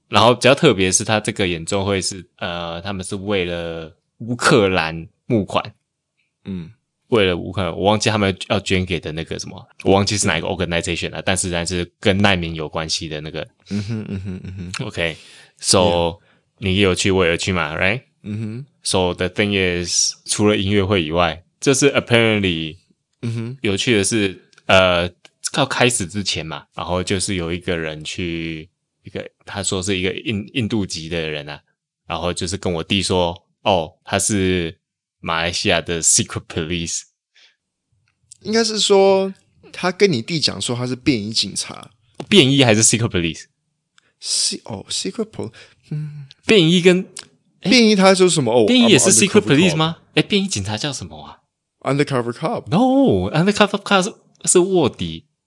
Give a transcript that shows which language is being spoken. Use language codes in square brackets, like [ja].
[zh] 然后比较特别是他这个演奏会是他们是为了乌克兰募款。嗯。为了乌克兰我忘记他们要捐给的那个什么我忘记是哪一个 organization 了但是还是跟难民有关系的那个。嗯哼嗯哼嗯 [en] 哼。Okay. [zh] So,、你有去我也有去嘛 ,right? 嗯哼。 [en] So, the thing is, [zh] 除了音乐会以外就是 [en] apparently, [zh] 嗯哼有趣的是要开始之前嘛，然后就是有一个人去一个，他说是一个印度籍的人啊，然后就是跟我弟说，哦，他是马来西亚的 secret police，应该是说他跟你弟讲说他是便衣警察，便衣还是 secret police？ secret police，便衣跟便衣他说什么？哦，便衣也是 secret police 吗？哎，便衣警察叫什么啊 [en] ？Undercover cop？ No， undercover cop [zh] 是卧底。